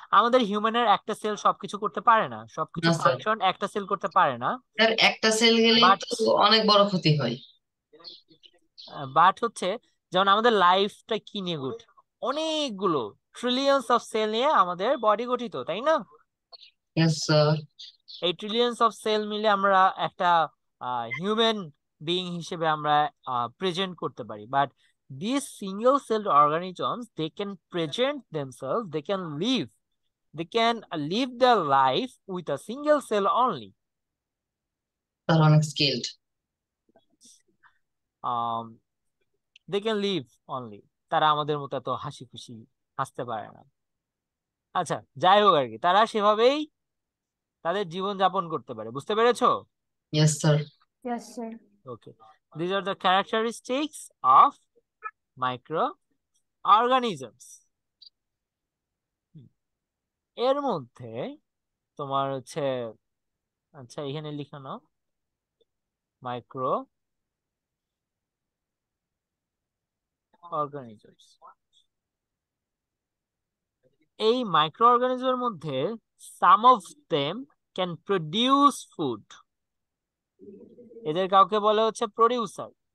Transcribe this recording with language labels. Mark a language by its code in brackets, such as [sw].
[bn] আমাদের হিউম্যানের একটা সেল সবকিছু করতে পারে না, সবকিছু না স্যার, ফাংশন একটা সেল করতে পারে না, স্যার একটা সেল গেলেই বাট তো অনেক বড় ক্ষতি হয়। বাট হচ্ছে যেমন আমাদের লাইফটা কি নিয়ে গঠিত, অনেকগুলো ট্রিলিয়ন্স অফ সেল নিয়ে আমাদের বডি গঠিত, তাই না? [en] Yes, sir. [bn] এই ট্রিলিয়ন্স অফ সেল মিলে আমরা একটা হিউম্যান বিইং হিসেবে আমরা প্রেজেন্ট করতে পারি, [en] But these single celled organisms, they can present themselves, they can live, they can live their life with a single cell only. They're unskilled. They can live only, [bn] তারা আমাদের মতো এত হাসি খুশি হাসতে পারে না। আচ্ছা যাই হোক আর কি, তারা সেভাবেই তাদের জীবন যাপন করতে পারে, বুঝতে পেরেছো? [en] Yes, sir. Yes, sir. Okay, these are the characteristics of microorganisms. [bn] এর মধ্যে তোমার হচ্ছে, আচ্ছা এখানে লিখানো মাইক্রো অর্গানিজমস, এই মাইক্রো অর্গানিজমের মধ্যে [en] some of them can produce food, [bn] এদের কাউকে বলে হচ্ছে প্রডিউসার।